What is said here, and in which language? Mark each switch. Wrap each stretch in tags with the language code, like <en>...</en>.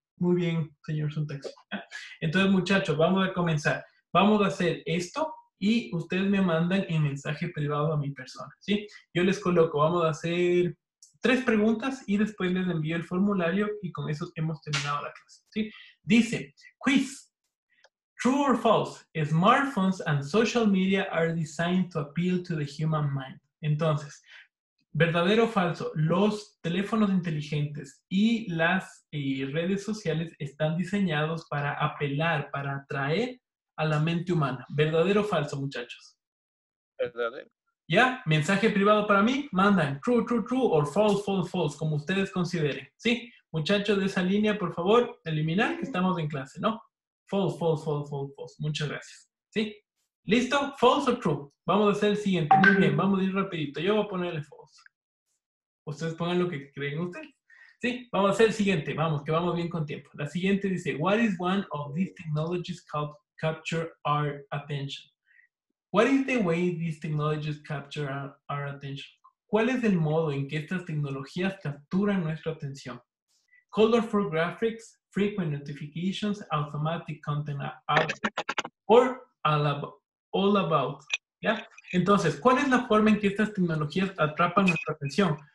<es>Muy bien, señor Suntaxi. Entonces, muchachos, vamos a comenzar. Vamos a hacer esto y ustedes me mandan el mensaje privado a mi persona, ¿sí? Yo les coloco, vamos a hacer 3 preguntas y después les envío el formulario y con eso hemos terminado la clase, ¿sí? Dice, quiz.</es> <en>True or false, smartphones and social media are designed to appeal to the human mind.</en> <es>Entonces, ¿verdadero o falso? Los teléfonos inteligentes y las redes sociales están diseñados para apelar, para atraer a la mente humana. ¿Verdadero o falso, muchachos? Verdadero. ¿Ya? ¿Mensaje privado para mí? Mandan</es> <en>true, true, true or false, false, false,</en> <es>como ustedes consideren. ¿Sí? Muchachos de esa línea, por favor, eliminar que estamos en clase, ¿no?</es> <en>False, false, false, false, false.</en> <es>Muchas gracias. ¿Sí? ¿Listo? False o true. Vamos a hacer el siguiente. Muy bien, vamos a ir rapidito. Yo voy a ponerle false. Ustedes pongan lo que creen ustedes. ¿Sí? Vamos a hacer el siguiente. Vamos, que vamos bien con tiempo.</es> <en>La siguiente dice, what is one of these technologies called capture our attention? What is the way these technologies capture our attention?</en> <es>¿Cuál es el modo en que estas tecnologías capturan nuestra atención?</es> <en>Colorful graphics, frequent notifications, automatic content updates, or all about.</en> <es>¿Ya? Entonces, ¿cuál es la forma en que estas tecnologías atrapan nuestra atención?</es>